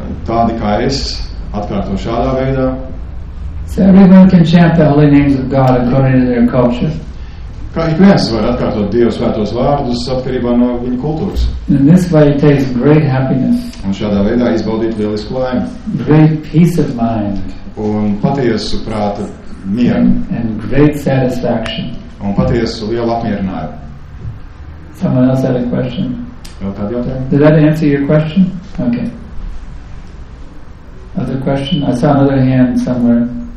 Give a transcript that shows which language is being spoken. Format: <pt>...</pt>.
<lv>Tādi kā es, atkārto šādā veidā.</lv> <en>So everyone can chant the holy names of God according to their culture.</en> <lv>Kā ikviens var atkārtot Dieva svētos vārdus atkarībā no viņa kultūras.</lv> <en>In this way it takes great happiness.</en> <lv>Un šādā veidā izbaudīt lielisku laimi.</lv> <en>Great peace of mind.</en> <lv>Un patiesu prātu mieru.</lv> <en>And great satisfaction.</en> <lv>Un patiesu lielu apmierinājumu.</lv> <en>Someone else had a question.</en> <lv>Vēl kādu jautājumu?</lv> <en>Did that answer your question? Okay. Other question? I saw another hand somewhere.</en>